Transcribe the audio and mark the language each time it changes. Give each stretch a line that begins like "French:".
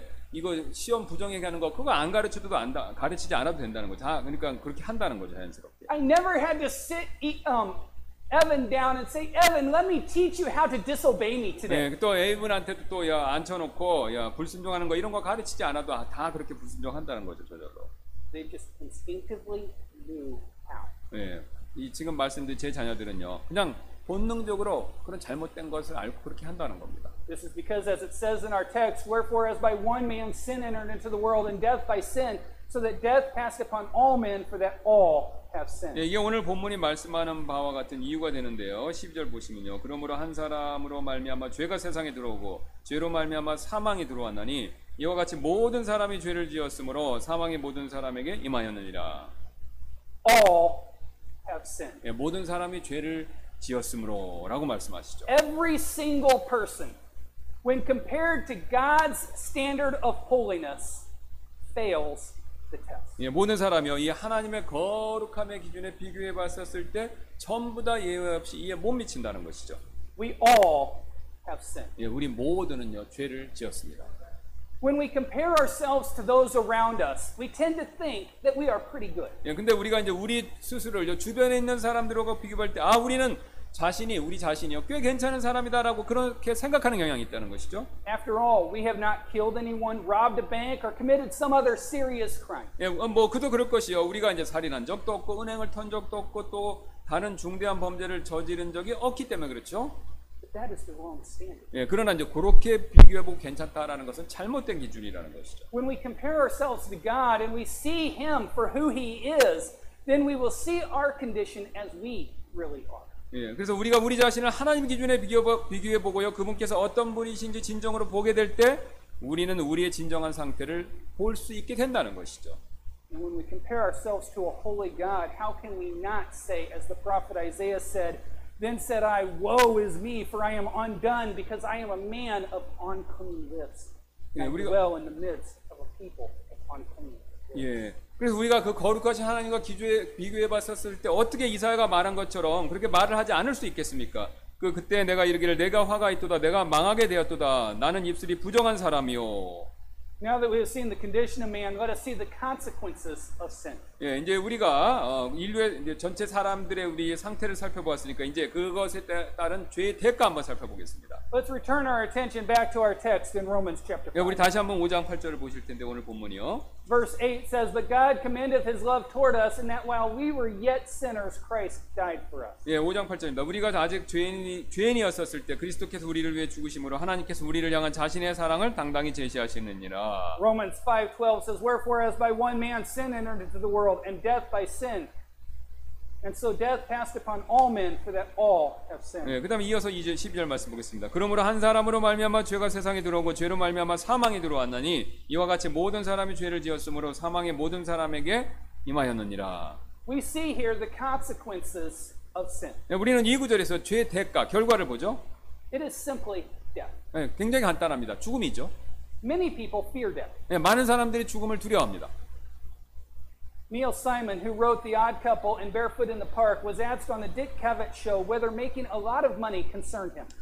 Korean: 이거 시험 부정 얘기하는 거 그거 안 가르쳐도 안다 가르치지 않아도 된다는 거죠. 그러니까 그렇게 한다는 거죠 자연스럽게.
English: I never had to sit Evan down and say, Evan, let me teach you how to disobey me today.
Korean: 네, 또 에이븐한테도 또 야 앉혀놓고 야 불순종하는 거 이런 거 가르치지 않아도 다 그렇게 불순종한다는 거죠 저절로.
English: They just instinctively knew how.
Korean: 네, 이 지금 말씀드린 제 자녀들은요 그냥 본능적으로 그런 잘못된 것을 알고 그렇게 한다는 겁니다.
English: This is because as it says in our text, wherefore as by one man sin entered into the world and death by sin, so that death passed upon all men for that all have sinned.
Korean: 예, 이게 오늘 본문이 말씀하는 바와 같은 이유가 되는데요. 12절 보시면요. 그러므로 한 사람으로 말미암아 죄가 세상에 들어오고 죄로 말미암아 사망이 들어왔나니 이와 같이 모든 사람이 죄를 지었으므로 사망이 모든 사람에게 임하였느니라.
English: All have sinned.
Korean: 예, 모든 사람이 죄를 지었으므로라고 말씀하시죠.
English: Every single person when compared to God's standard of holiness fails the test.
Korean: 예, 모든 사람이요. 이 하나님의 거룩함의 기준에 비교해 봤었을 때 전부 다 예외 없이 이에 못 미친다는 것이죠.
English: We all have sinned.
Korean: 예, 우리 모두는요. 죄를 지었습니다.
English: When we compare ourselves to those around us, we tend to think that we are pretty good.
Korean: 예, 근데 우리가 이제 우리 스스로를 주변에 있는 사람들과 비교할 때, 우리는 자신이 우리 자신이요 꽤 괜찮은 사람이다라고 그렇게 생각하는 경향이 있다는 것이죠.
English: After all, we have not killed anyone, robbed a bank, or committed some other serious crime.
Korean: 예, 뭐 그도 그럴 것이요. 우리가 이제 살인한 적도 없고 은행을 턴 적도 없고 또 다른 중대한 범죄를 저지른 적이 없기 때문에 그렇죠.
English: But that is the wrong standard.
Korean: 예, 그러나 이제 그렇게 비교해보고 괜찮다라는 것은 잘못된 기준이라는 것이죠.
English: When we compare ourselves to God and we see Him for who He is, then we will see our condition as we really are.
Korean: 예, 그래서 우리가 우리 자신을 하나님 기준에 비교해 보고요, 그분께서 어떤 분이신지 진정으로 보게 될 때, 우리는 우리의 진정한 상태를 볼 수 있게 된다는 것이죠.
English: And when we compare ourselves to a holy God, how can we not say, as the prophet Isaiah said, "Then said I, Woe is me, for I am undone, because I am a man of unclean lips, and dwell in the midst of a people of unclean lips."
Korean: 예. 그래서 우리가 그 거룩하신 하나님과 비교해 봤었을 때 어떻게 이사야가 말한 것처럼 그렇게 말을 하지 않을 수 있겠습니까? 그때 내가 이르기를 내가 화가 있도다 내가 망하게 되었도다 나는 입술이 부정한 사람이요.
English: Now that we have seen the condition of man, let us see the consequences of sin.
Korean: 예, 이제 우리가 인류의 이제 전체 사람들의 우리 상태를 살펴보았으니까 이제 그것에 따른 죄의 대가 한번 살펴보겠습니다.
English: Let's return our attention back to our text in Romans chapter 5.
Korean: 예, 우리 다시 한번 5장 8절을 보실 텐데 오늘 본문이요.
English: Verse 8 says, "But God commendeth His love toward us, in that while we were yet sinners, Christ died for us."
Korean: 예, 5장 8절입니다. 우리가 아직 죄인이었었을 때 그리스도께서 우리를 위해 죽으심으로 하나님께서 우리를 향한 자신의 사랑을 당당히 제시하시느니라.
English: Romans 5:12 says, "Wherefore as by one man sin entered into the world, and death by sin, and so death passed upon all men, for that all have sinned."
Korean: 예, 그다음 이어서 이제 12절 말씀 보겠습니다. 그러므로 한 사람으로 말미암아 죄가 세상에 들어오고 죄로 말미암아 사망이 들어왔나니 이와 같이 모든 사람이 죄를 지었으므로 사망의 모든 사람에게 임하였느니라.
English: We see here the consequences of sin.
Korean: 예, 우리는 이 구절에서 죄의 대가 결과를 보죠.
English: It is simply death.
Korean: 예, 굉장히 간단합니다. 죽음이죠.
English: Many people fear death.
Korean: 예, 많은 사람들이 죽음을 두려워합니다.
English: Neil Simon, who wrote The Odd Couple and Barefoot in the Park, was asked on the Dick Cavett show whether making a lot of money concerned him.